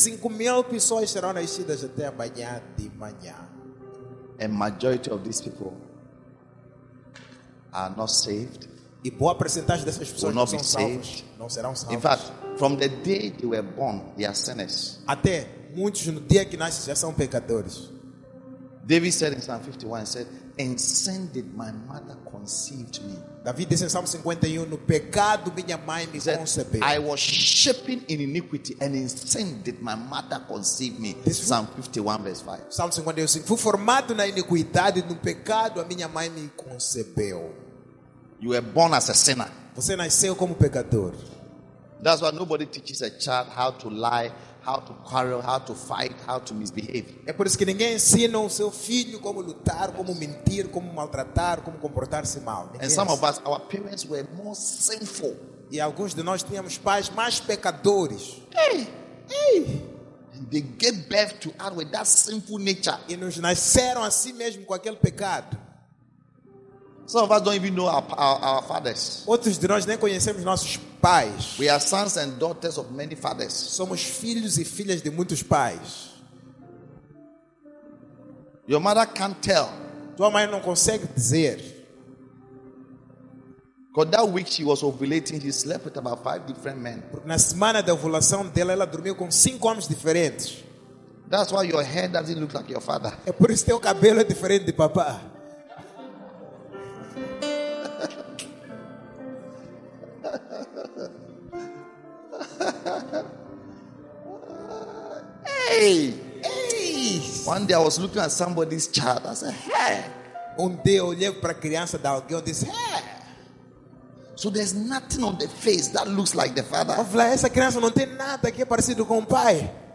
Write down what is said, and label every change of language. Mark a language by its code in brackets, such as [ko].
[pt] Mil pessoas serão nascidas até amanhã de manhã. [en] A majority of these people are not saved. [pt] E boa percentagem dessas pessoas não são salvas. Não serão salvas. [en] In fact, from the day they were born, they are sinners. [pt] Até muitos no dia que nascem já são pecadores. [en] David said in Psalm 51, said, "And sin did my mother conceived me." [pt] David disse em Salmo 51, no pecado minha mãe me concebeu. [en] I was shaping in iniquity and in sin did my mother conceive me. Psalm 51, verse 5. [pt] Salmo 51, assim, fui formado na iniquidade, no pecado a minha mãe me concebeu. [en] You were born as a sinner. [pt] Você nasceu como pecador. [en] That's why nobody teaches a child how to lie, how to quarrel, how to fight, how to misbehave. [pt] É por isso que ninguém ensina o seu filho como lutar, como mentir, como maltratar, como comportar-se mal. [en] And some of us, our parents were more sinful. [pt] E alguns de nós tínhamos pais mais pecadores. [en] Hey, hey. And they gave birth to us with that sinful nature. [pt] E nos nasceram assim mesmo com aquele pecado. [en] Some of us don't even know our fathers. [pt] Outros de nós nem conhecemos nossos pais. [en] We are sons and daughters of many fathers. [pt] Somos filhos e filhas de muitos pais. [en] Your mother can't tell. [pt] Tua mãe não consegue dizer. [en] Because that week she was ovulating, she slept with about 5 different men. [pt] Porque na semana da ovulação dela, ela dormiu com 5 homens diferentes. [en] That's why your hair doesn't look like your father. [pt] É por isso teu cabelo é diferente de papá. [en] Hey. One day I was looking at somebody's child. I said, "Hey." [pt] Um dia eu olhei para a criança da alguém e disse, "Hey." [en] So there's nothing on the face that looks like the father. [pt] Eu falei, essa criança não tem nada que é parecido com o pai.